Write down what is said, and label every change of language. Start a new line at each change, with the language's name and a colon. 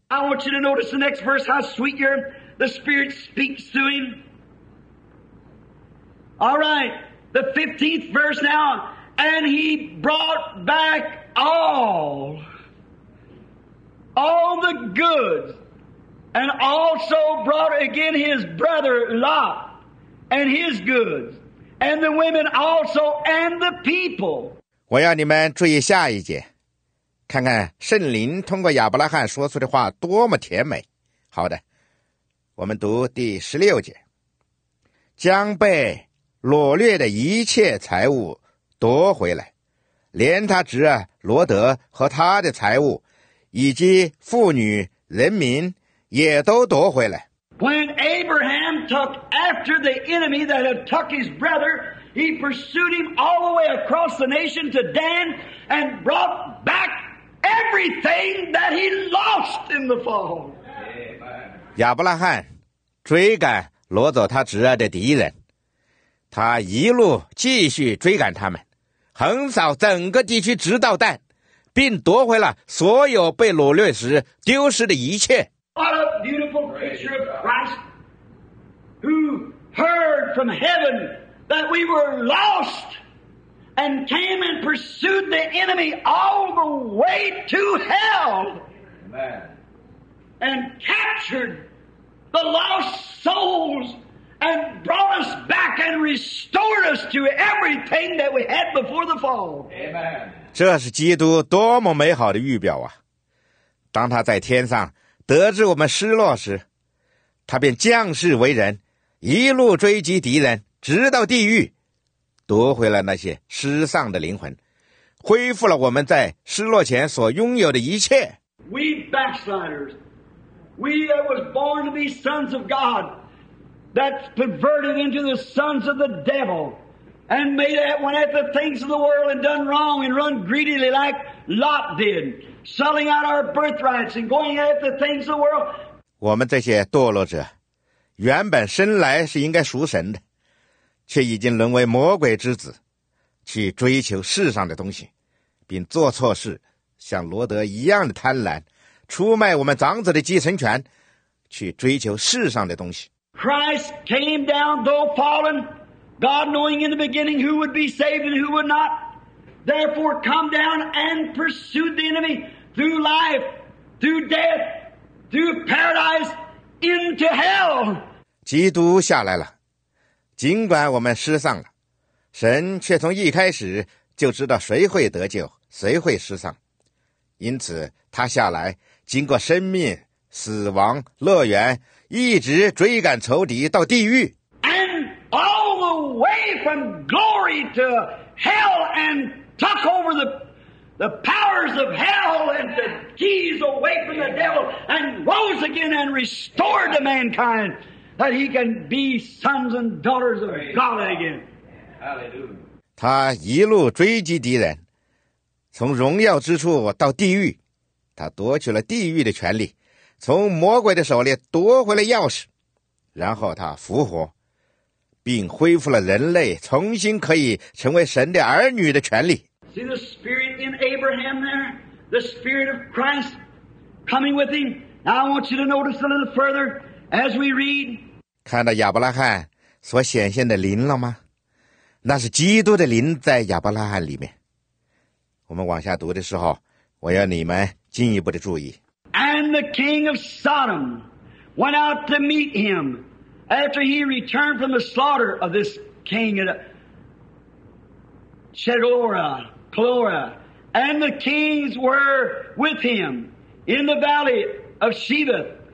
English: I want you to notice the next verse, how sweet you're... The Spirit speaks to him. All right, the 15th verse now. And he brought back all the goods, and also brought again his brother Lot and his goods, and the women also, and the people.
Chinese: 我要你们注意下一节，看看圣灵通过亚伯拉罕说出的话多么甜美。好的。我们读第十六节，将被掳掠的一切财物夺回来，连他侄儿罗德和他的财物，以及妇女人民也都夺回来。
English: When Abraham took after the enemy that had took his brother, he pursued him all the way across the nation to Dan and brought back everything that he lost in the fall. Amen.
Chinese: 亚伯拉罕。追赶掳走他侄儿的敌人，他一路继续追赶他们，横扫整个地区直到但，并夺回了所有被掳掠时丢失的一切。
English: What a beautiful picture of Christ who heard from heaven that we were lost and came and pursued the enemy all the way to hell and captured. The lost souls and brought us back and restored us to everything that we had before the fall. Amen.
Chinese: 这是基督多么美好的预表啊！当他在天上得知我们失落时，他便将士为人，一路追击敌人，直到地狱，夺回了那些失丧的灵魂，恢复了我们在失落前所拥有的一切。
English: We backsliders, we that was born to be sons of God, that's perverted into the sons of the devil, and made that one at the things of the world and done wrong and run greedily like Lot did, selling out our birthrights and going at the things of the world.
Chinese: 我们这些堕落者，原本生来是应该属神的，却已经沦为魔鬼之子，去追求世上的东西，并做错事，像罗德一样的贪婪，出卖我们长子的继承权，去追求世上的东西。
English: Christ came down, though fallen, God knowing in the beginning who would be saved and who would not, therefore come down and pursued the enemy through life, through death, through paradise, into hell.
Chinese: 基督下来了。尽管我们失丧了，神却从一开始就知道谁会得救，谁会失丧，因此他下来，经过生命、死亡、乐园，一直追赶仇敌到地狱。
English: And all the way from glory to hell and took over the powers of hell and the keys away from the devil and rose again and restored to mankind. That he can be sons and daughters of God again. Hallelujah.
Chinese: 他一路追击敌人，从荣耀之处到地狱，他夺取了地狱的权利，从魔鬼的手里夺回了钥匙，然后他复活，并恢复了人类重新可以成为神的儿女的权利。
English: See the spirit in Abraham there, the spirit of Christ coming with him. Now I want you to notice a little further. As we read,
Chinese: 看到亚伯拉罕所显现的灵了吗？那是基督的灵在亚伯拉罕里面。我们往下读的时候，我要你们进一步的注意。
English: And the king of Sodom went out to meet him after he returned from the slaughter of this king of Chedorah. And the kings were with him in the valley of Sheba.